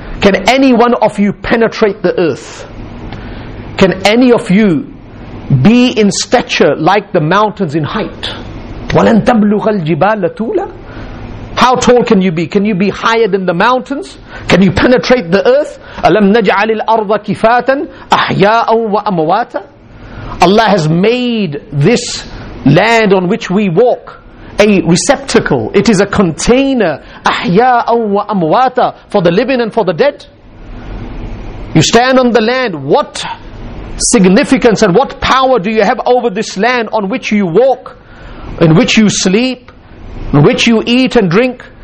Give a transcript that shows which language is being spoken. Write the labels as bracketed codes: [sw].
[en] Can any one of you penetrate the earth? Can any of you be in stature like the mountains in height? [ar] وَلَنْ تَبْلُغَ الْجِبَالَ طُولًا. [en] How tall can you be? Can you be higher than the mountains? Can you penetrate the earth? [ar] أَلَمْ نَجْعَلِ الْأَرْضَ كِفَاتًا أَحْيَاءً وَأَمْوَاتًا. [en] Allah has made this land on which we walk a receptacle. It is a container. [ar] أَحْيَاءً وَأَمْوَاتًا. [en] For the living and for the dead. You stand on the land. What significance and what power do you have over this land on which you walk, in which you sleep, in which you eat and drink?